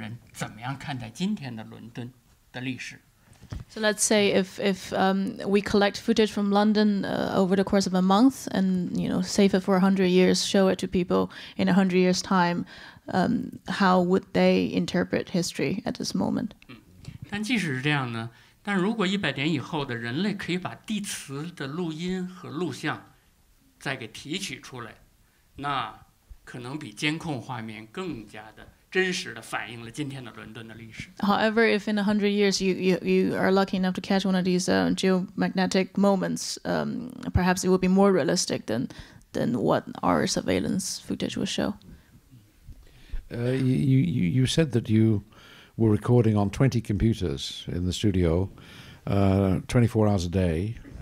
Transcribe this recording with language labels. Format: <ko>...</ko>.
<zh>我在想，如果今天的人，或者伦敦的一个月的所有的监控画面都留下来给100年以后的人，那时候的人怎么样看待今天的伦敦的历史？</zh> <en>So let's say if we collect footage from London over the course of a month and save it for 100 years, show it to people in 100 years' time, how would they interpret history at this moment?</en> <zh>但即使是这样呢，但如果100年以后的人类可以把地磁的录音和录像再给提取出来，那可能比监控画面更加的。</zh> <en>However, if in 100 years you are lucky enough to catch one of these geomagnetic moments, perhaps it will be more realistic than what our surveillance footage will show. You said that you were recording on 20 computers in the studio, 24 hours a day.</en>